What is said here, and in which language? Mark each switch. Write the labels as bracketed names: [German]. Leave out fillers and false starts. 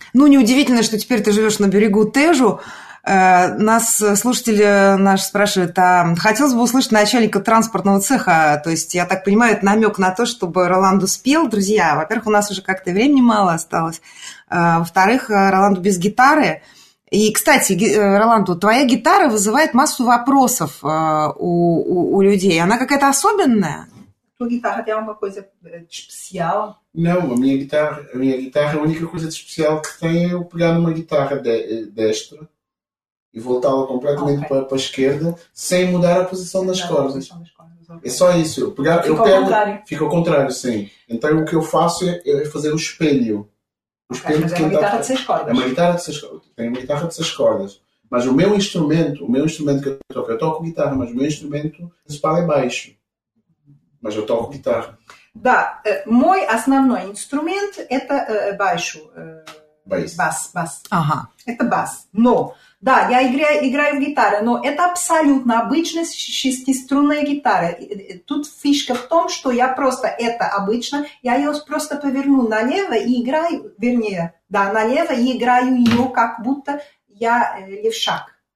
[Russian] Ну, неудивительно, что теперь ты живешь на берегу Тежу. Нас слушатели наш спрашивают, а хотелось бы услышать начальника транспортного цеха, то есть, я так понимаю, это намек на то, чтобы Роланду спел, друзья, во-первых, у нас уже как-то времени мало осталось, во-вторых, Роланду без гитары, и, кстати, Роланду, твоя гитара вызывает массу вопросов у людей, она какая-то особенная? [Portuguese] Tu guitarra tem alguma coisa especial? Não, a minha guitarra, a única coisa de especial que tem é eu pegar numa guitarra destra e voltá-la completamente para a esquerda sem mudar a posição das cordas. É só isso. Fica ao contrário, sim. Então o que eu faço é fazer o espelho. É uma guitarra de 6 cordas. Tenho uma guitarra de 6 cordas. Mas o meu instrumento que eu toco guitarra, mas o meu instrumento principal é baixo. Mas eu toco guitarra. [Russian] Да, мой основной инструмент это baixo. Бас. Ага. Это бас. Но, да, я играю в гитаре, но это абсолютно обычная 6-струнная гитара. Тут фишка в том, что я просто это обычно, я ее просто поверну налево и играю, вернее, да, налево и играю ее, как будто я левшак.